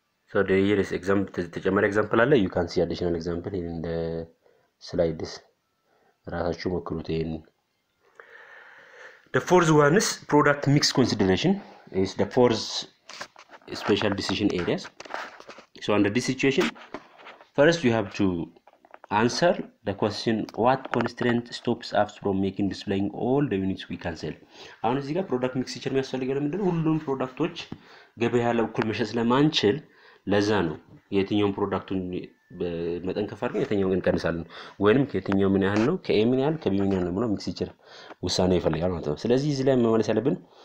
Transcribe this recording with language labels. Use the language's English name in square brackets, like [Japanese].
[English] So here is example [Amharic] ተጨማሪ ኤግዛምፕል አለ [English] you can see additional example in the slides [Amharic] ራሳችሁ መክሩት። ይሄን [English] the fourth one is product mix consideration is the fourth special decision areas. So under this situation first you have to answer the question what constraint stops us from making displaying all the units we can sell. [Amharic] አሁን እዚህ ጋር product mix ይችላል የሚያስፈልገው ለምንድነው ሁሉም ፕሮዳክቶች ገበያ ላይ እኩል መሸጥ ለማንችል ለዛ ነው የትኛውን ፕሮዳክቱን በመጠን ከፈርግ የትኛውን ግን ቀንሳለን ወይንም ከየትኛው ምን ያህል ነው ከኤ ምን ያህል ከቢ ምን ያህል ነው ብለው ሚክስቸር ውሳኔ ይፈልጋል ማለት ነው። ስለዚህ እዚህ ላይ መመለስ ያለብን